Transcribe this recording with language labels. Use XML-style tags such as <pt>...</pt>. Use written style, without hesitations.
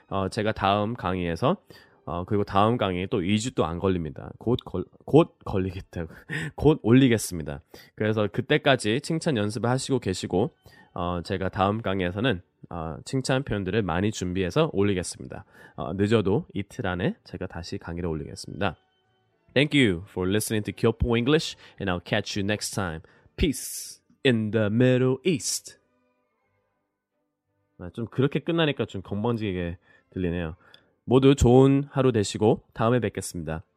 <ko>제가 다음 강의에서 그리고 다음 강의 또 2주도 안 걸립니다. 곧 걸리겠다. 곧 올리겠습니다. 그래서 그때까지 칭찬 연습을 하시고 계시고 제가 다음 강의에서는 칭찬 표현들을 많이 준비해서 올리겠습니다. 늦어도 이틀 안에 제가 다시 강의를 올리겠습니다.</ko> <en>Thank you for listening to Kyopo English and I'll catch you next time. Peace in the Middle East.</en> <ko>좀 그렇게 끝나니까 좀 건방지게 들리네요. 모두 좋은 하루 되시고 다음에 뵙겠습니다.</ko>